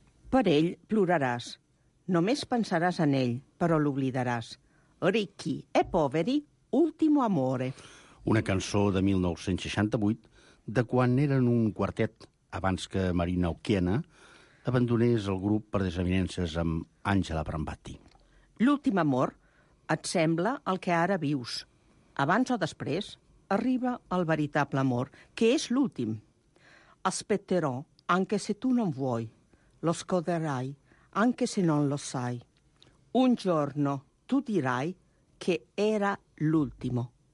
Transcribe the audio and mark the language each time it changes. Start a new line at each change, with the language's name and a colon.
Catalan: Per ell ploraràs, només pensaràs en ell, però l'oblidaràs.
Italian: Ricchi e poveri, ultimo amore.
Catalan: Una cançó de 1968, de quan eren un quartet, abans que Marina Occhiena abandonés el grup per desavinences amb Àngela Brambati. L'últim amor et sembla el que ara vius. Abans o després arriba el veritable amor, que és l'últim.
Italian: Aspetterò, anche se tu non vuoi. Lo scorderai, anche se non lo sai. Un giorno tu dirai che era l'ultimo.